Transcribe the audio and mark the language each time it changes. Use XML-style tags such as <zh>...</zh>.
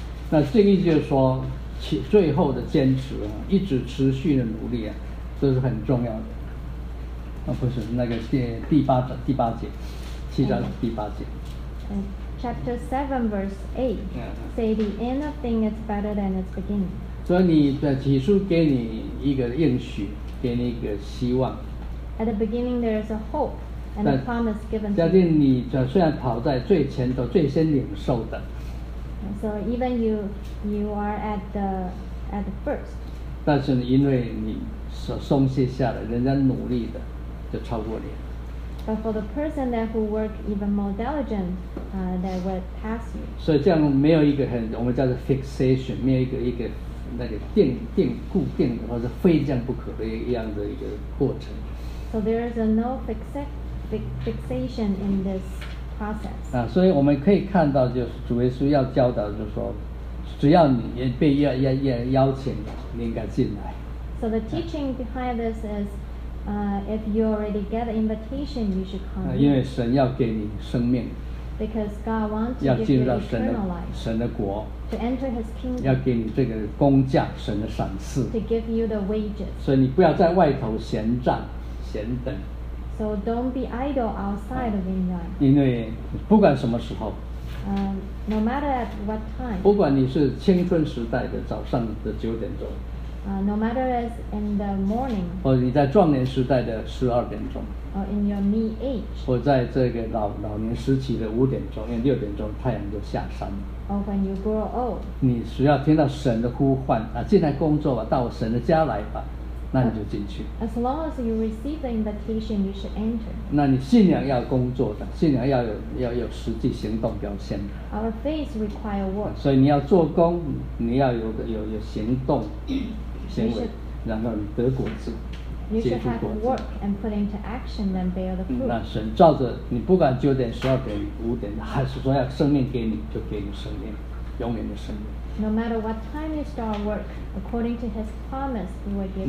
<zh>那这个意思就是说最后的坚持啊，一直持续的努力啊，都是很重要的。不是那个第八节七章第八节。</zh> <en>Chapter 7 verse 8 say the end of thing is better than its beginning.</en> <zh>所以你的起初给你一个应许，给你一个希望。</zh> <en>At the beginning, there is a hope and a promise given.</en> <zh>相信你虽然跑在最前头，最先领受的。</zh> <en>So even you are at the first.</en> <zh>但是因为你松懈下来，人家努力的就超过你。</zh> <en>But for the person that who work even more diligent, that would pass you.</en> <zh>所以这样没有一个很我们叫做 fixation， 没有一个那个定固定的或者非这样不可的一样的一个过程。</zh> <en>So there is no fixation in this process.</en> <zh>所以我们可以看到，就是主耶稣要教导，就是说，只要你也被邀请，你应该进来。</zh> <en>So the teaching behind this is, if you already get an invitation, you should come.</en> <zh>因为神要给你生命。</zh> <en>Because God wants to give you eternal life.</en> <zh>神的国。</zh> <en>To enter His kingdom.</en> <zh>要给你这个工价，神的赏赐。</zh> <en>To give you the wages.</en> <zh>所以你不要在外头闲站。闲等。</zh> <en>So don't be idle outside the vineyard.</en> <zh>因为不管什么时候。</zh> <en>No matter at what time.</en> <zh>不管你是青春时代的早上的九点钟。</zh> <en>No matter as in the morning.</en> <zh>或者你在壮年时代的十二点钟。</zh> <en>Or in your mid age.</en> <zh>或在这个老年时期的五点钟，因为六点钟太阳就下山了。</zh> <en>Or when you grow old.</en> <zh>你只要听到神的呼唤，进来工作吧，到神的家来吧。那你就进去。</zh> <en>As long as you receive the invitation, you should enter.</en> <zh>那你信仰要工作的，信仰要有实际行动表现的。</zh> <en>Our faith require work.</en> <zh>所以你要做工，你要有行动行为，然后你得果子，结出果子。</zh> <en>You should have work and put into action, then bear the fruit.</en> <zh>那神照着你，不管九点、十二点、五点，还是说要生命给你，就给你生命，永远的生命。</zh> <en>No matter what time you start work, according to His promise, He will give you wages.</en>